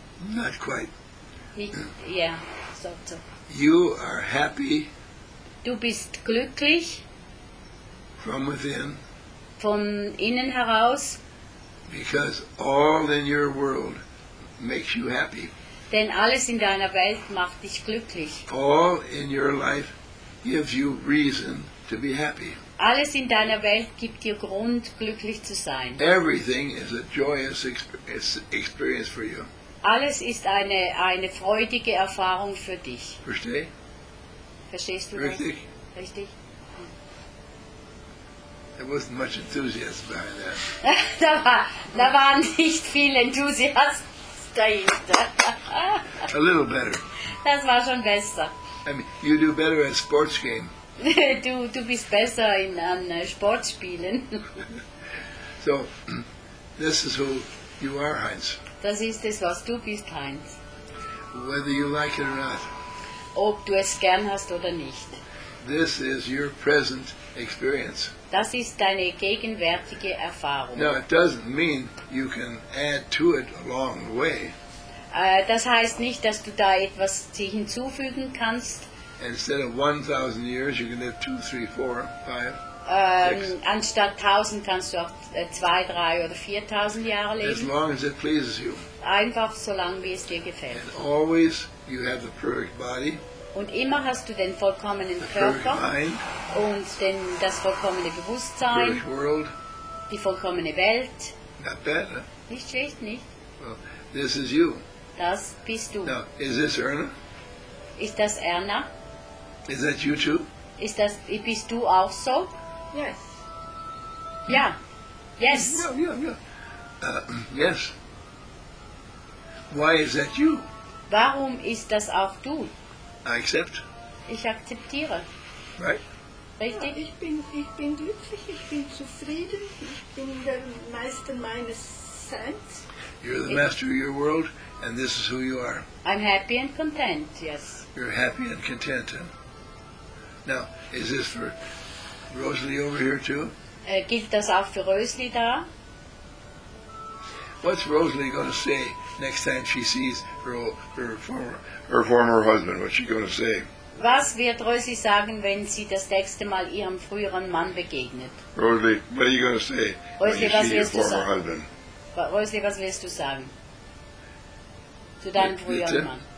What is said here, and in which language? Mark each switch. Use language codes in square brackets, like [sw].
[en] Not quite. Yeah, so. You are happy. [de] Du bist glücklich. [en] From within. [de] Von innen heraus. [en] Because all in your world makes you happy. [de] Denn alles in deiner Welt macht dich glücklich. [en] All in your life gives you reason to be happy. [de] Alles in deiner Welt gibt dir Grund, glücklich zu sein. [en] Everything is a joyous experience for you. [de] Alles ist eine freudige Erfahrung für dich. Versteh? Verstehst du richtig? Das? Richtig. [en] There wasn't much enthusiasm behind that. [de] da war nicht viel Enthusiasmus dahinter. [en] A little better. [de] Das war schon besser. [en] I mean, you do better at sports game. [de] du bist besser an Sportspielen. [en] So, this is who you are, Heinz. [de] Das ist es, was du bist, Heinz. [en] Whether you like it or not. [de] Ob du es gern hast oder nicht. [en] This is your present experience. [de] Das ist deine gegenwärtige Erfahrung. [en] Now, it doesn't mean you can add to it along the way. [de] Das heißt nicht, dass du da etwas hinzufügen kannst. [en] Instead of 1,000 years, you can live 2, 3, 4, 5, 6. [de] Anstatt 1,000 kannst du auch 2, 3 oder 4,000 Jahre leben. [en] As long as it pleases you. [de] Einfach so lange, wie es dir gefällt. [en] And always you have the perfect body. [de] Und immer hast du den vollkommenen Körper und das vollkommene Bewusstsein, die vollkommene Welt. [en] Not bad, huh? [de] Nicht schlecht, nicht? [en] Well, this is you. [de] Das bist du. [en] Now, is this Erna? [de] Ist das Erna? [en] Is that you too? [de] Ist das, bist du auch so? [en] Yes. [de] Ja. [en] Yes. Yes. Why is that you? [de] Warum ist das auch du? [en] I accept. [de] Ich akzeptiere. [en] Right? [de] Richtig? Ja, ich bin glücklich, ich bin zufrieden, ich bin der Meister meines Seins. [en] You're the master of your world, and this is who you are. I'm happy and content, yes. You're happy and content, huh? Now, is this for Rosalie over here too? [de] Gilt das auch für Rosalie da? [en] What's Rosalie going to say next time she sees her former husband? What's she going to say? [de] Was wird Rosalie sagen, wenn sie das nächste Mal ihrem früheren Mann begegnet? [en] Rosalie, what are you going to say Rosalie, when you see your former husband? [de] Rosalie, was wirst du sagen zu deinem früheren Mann?